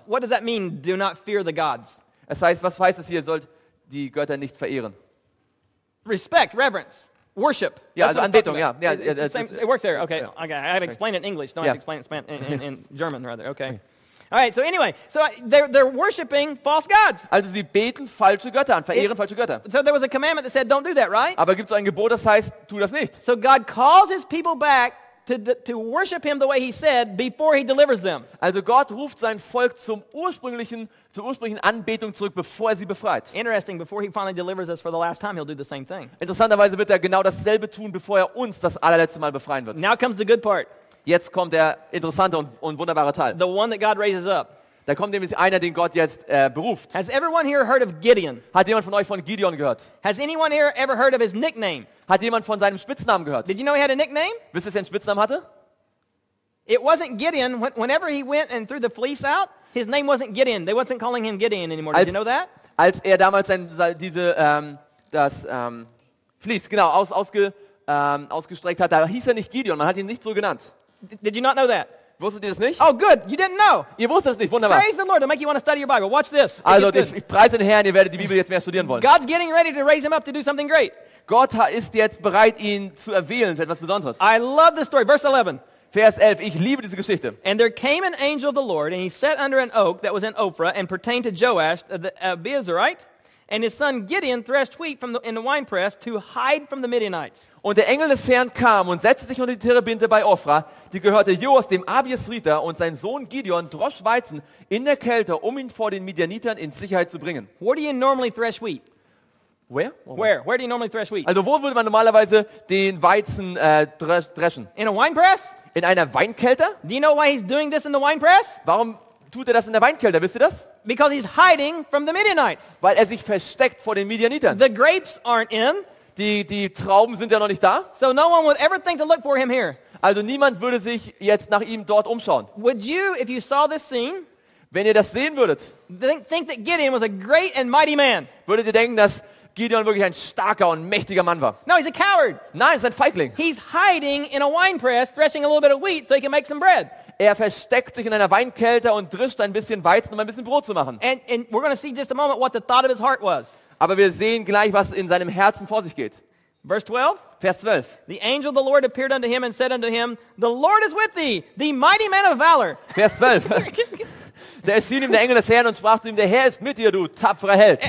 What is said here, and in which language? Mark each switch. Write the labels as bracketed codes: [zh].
[en] What does that mean, do not fear the gods? [de] Es heißt, was heißt es hier, sollt die Götter nicht verehren? [en] Respect, reverence. Worship. [de] Ja, also Anbetung, ja. [en] Yeah. Yeah, yeah, it works there. Okay, yeah. Okay. I have to explain it in English. No, yeah. I have to explain it in German, rather. Okay. All right, so anyway, so they're worshiping false gods. [de] Also sie beten falsche Götter an, verehren falsche Götter. [en] So there was a commandment that said, don't do that, right? [de] Aber gibt es ein Gebot, das heißt, tu das nicht. [en] So God calls his people back to worship him the way he said before he delivers them. [de] Also Gott ruft sein Volk zur ursprünglichen Anbetung zurück, bevor er sie befreit. [en] Interesting, before he finally delivers us for the last time, he'll do the same thing. [de] Interessanterweise wird er genau dasselbe tun, bevor er uns das allerletzte Mal befreien wird. [en] Now comes the good part. [de] Jetzt kommt der interessante und wunderbare Teil. [en] The one that God raises up. [de] Da kommt nämlich einer, den Gott jetzt beruft. [en] Has everyone here heard of Gideon? [de] Hat jemand von euch von Gideon gehört? [en] Has anyone here ever heard of his nickname? [de] Hat jemand von seinem Spitznamen gehört? [en] Did you know he had a nickname? [de] Wisst ihr, dass er einen Spitznamen hatte? [en] It wasn't Gideon. Whenever he went and threw the fleece out, his name wasn't Gideon. They wasn't calling him Gideon anymore. Did you know that? [de] Als er damals das Fleece, genau, ausgestreckt hat, da hieß er nicht Gideon. Man hat ihn nicht so genannt. [en] Did you not know that? [de] Wusstet ihr das nicht? [en] Oh, good. You didn't know. [de] Ihr wusstet es nicht. Wunderbar. [en] Praise the Lord. It'll make you want to study your Bible. Watch this. [de] Also, ich preise den Herrn. Ihr werdet die Bibel jetzt mehr studieren wollen. [en] God's getting ready to raise him up to do something great. [de] Gott ist jetzt bereit, ihn zu erwählen für etwas Besonderes. [en] I love the story. Verse 11. [de] Vers 11. Ich liebe diese Geschichte. [en] And there came an angel of the Lord, and he sat under an oak that was in Ophrah, and pertained to Joash, the Abiezrite, and his son Gideon threshed wheat from the winepress to hide from the Midianites. [de] Und der Engel des Herrn kam und setzte sich unter die Terebinte bei Ophra, die gehörte Joas, dem Abiesriter, und sein Sohn Gideon drosch Weizen in der Kälte, um ihn vor den Midianitern in Sicherheit zu bringen. [en] Where do you normally thresh wheat? Where? Where do you normally thresh wheat? [de] Also wo würde man normalerweise den Weizen dreschen? [en] In a wine press? [de] In einer Weinkälte? [en] Do you know why he's doing this in the wine press? [de] Warum tut er das in der Weinkälte, wisst ihr das? [en] Because he's hiding from the Midianites. [de] Weil er sich versteckt vor den Midianitern. [en] The grapes aren't in. [de] Die Trauben sind ja noch nicht da. [en] So no one would ever think to look for him here. [de] Also niemand würde sich jetzt nach ihm dort umschauen. [en] Would you, if you saw this scene, [de] wenn ihr das sehen würdet, [en] think that Gideon was a great and mighty man? [de] Würdet ihr denken, dass Gideon wirklich ein starker und mächtiger Mann war? [en] No, he's a coward. [de] Nein, er ist ein Feigling. [en] He's hiding in a wine press, threshing a little bit of wheat so he can make some bread. [de] Er versteckt sich in einer Weinkälte und drischt ein bisschen Weizen, um ein bisschen Brot zu machen. [en] And we're going to see just a moment what the thought of his heart was. [de] Aber wir sehen gleich, was in seinem Herzen vor sich geht. [en] Verse 12. [de] Vers 12. [en] The angel of the Lord appeared unto him and said unto him, the Lord is with thee, the mighty man of valor. [de] Vers 12. Da erschien ihm der Engel des Herrn und sprach zu ihm, der Herr ist mit dir, du tapferer Held.